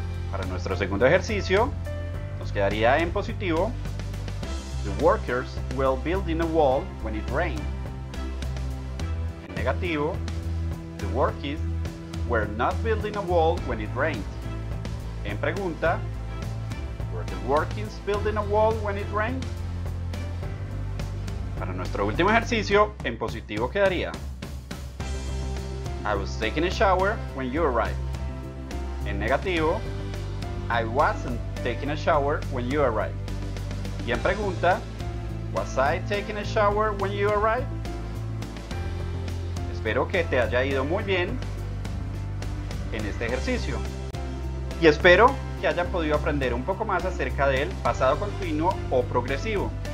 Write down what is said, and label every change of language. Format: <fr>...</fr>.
<es>Para nuestro segundo ejercicio, nos quedaría en positivo.</es> <en>The workers were building a wall when it rained.</en> <es>En negativo,</es> <en>the workers were not building a wall when it rained.</en> <es>En pregunta,</es> <en>were the workers building a wall when it rained?</en> <es>Para nuestro último ejercicio, en positivo quedaría.</es> <en>I was taking a shower when you arrived.</en> <es>En negativo,</es> <en>I wasn't taking a shower when you arrived.</en> <es>Y en pregunta,</es> <en>was I taking a shower when you arrived?</en> <es>Espero que te haya ido muy bien en este ejercicio. Y espero que hayan podido aprender un poco más acerca del pasado continuo o progresivo.</es>